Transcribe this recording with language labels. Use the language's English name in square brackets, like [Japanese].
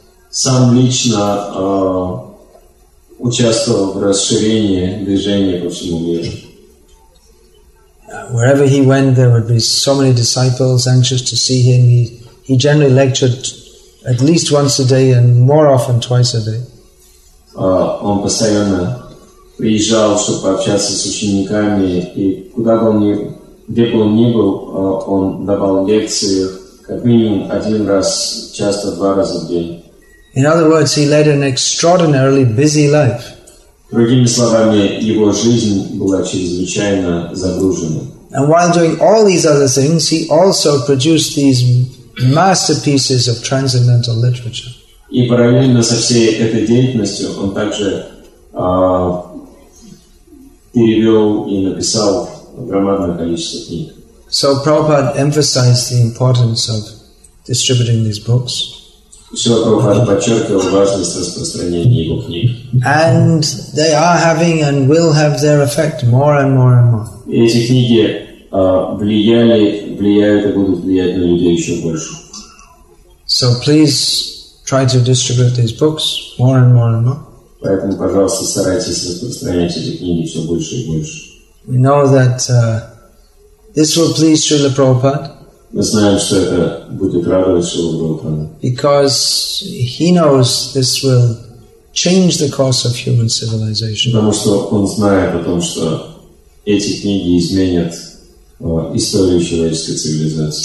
[Russian] Сам лично участвовал в расширении движения по всему миру. [English] Wherever he went, there would be so many disciples anxious to see him. He generally lectured at least once a day and more often twice a day. [Russian] Он постоянно приезжал, чтобы пообщаться с учениками, и куда бы он ни, где бы он ни был, он давал лекции как минимум один раз, часто два раза в день. [English] In other words, he led an extraordinarily busy life. [Russian] Другими словами, его жизнь была чрезвычайно загружена. [English] And while doing all these other things, he also produced these masterpieces of transcendental literature. [Russian] И параллельно со всей этой деятельностью он также перевел и написал громадное количество книг. [English] So Prabhupada emphasized the importance of distributing these books. [Russian] Шрила Прабхупада подчеркивал важность распространения его книг. [English] And they are having and will have their effect more and more and more. [Russian] И эти книги влияли, влияют и будут влиять на людей еще больше. [English] So please try to distribute these books more and more and more. [Russian] Поэтому, пожалуйста, старайтесь распространять эти книги все больше и больше. [English] We know that this will please Шрила Прабхупада. [Russian] Мы знаем, что это будет радовать Шрилу Прабхупаду. [English] Because he knows this will change the course of human civilization. [Russian] Потому что он знает о том, что эти книги изменят историю человеческой цивилизации.